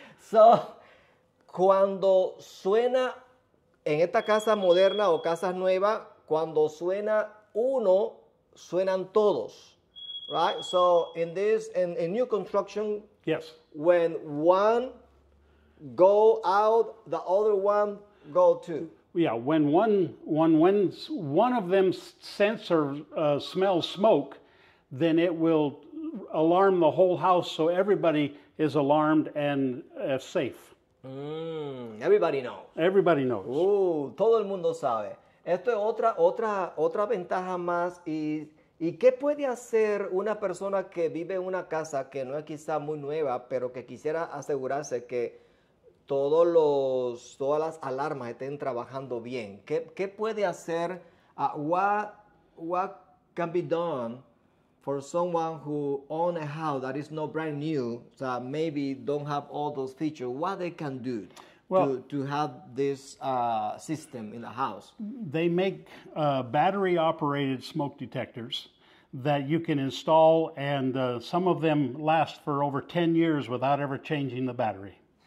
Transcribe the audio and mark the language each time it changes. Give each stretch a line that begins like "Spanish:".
Spanish: So, cuando suena en esta casa moderna o casas nuevas, cuando suena uno, suenan todos.
English: Right? So, in new construction, yes. When one go out, the other one go too. Yeah, when one of them sense or smells smoke, then it will alarm the whole house, so everybody is alarmed and safe. Everybody knows.
Spanish: Todo el mundo sabe. Esto es otra ventaja más. ¿Y qué puede hacer una persona que vive en una casa que no es quizá muy nueva, pero que quisiera asegurarse que todas las alarmas estén trabajando bien? ¿Qué puede hacer?
English: What can be done for someone who own a house that is not brand new, that maybe don't have all those features? What they can do to have this system in the house? They make battery-operated smoke detectors that you can install, and some of them last for over 10 years without ever changing the battery.